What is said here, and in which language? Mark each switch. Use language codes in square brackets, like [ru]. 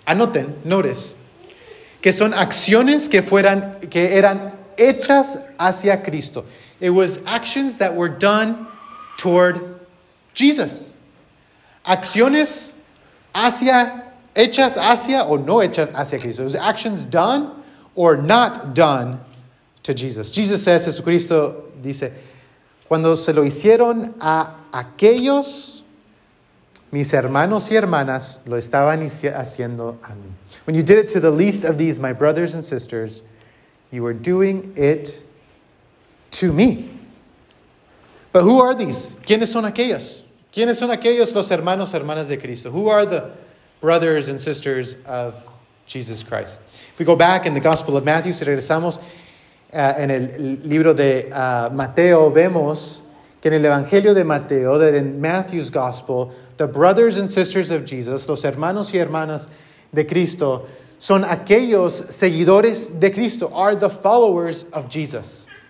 [es] Anoten, [en] notice, [es] que son acciones que eran hechas hacia Cristo. [en] It was actions that were done toward Jesus. [es] Acciones hacia, hechas hacia o no hechas hacia Cristo. [en] It was actions done or not done to Jesus. Jesus says, [es] Jesucristo dice, cuando se lo hicieron a aquellos, mis hermanos y hermanas lo estaban haciendo a mí. [en] When you did it to the least of these, my brothers and sisters, you were doing it to me. But who are these? [es] ¿Quiénes son aquellos? ¿Quiénes son aquellos los hermanos y hermanas de Cristo? [en] Who are the brothers and sisters of Jesus Christ? If we go back in the Gospel of Matthew, [es] si regresamos en el libro de Mateo, vemos que en el Evangelio de Mateo, [en] that in Matthew's Gospel, the brothers and sisters of Jesus, [es] los hermanos y hermanas de Cristo, son aquellos seguidores de Cristo, [en] are the followers of Jesus.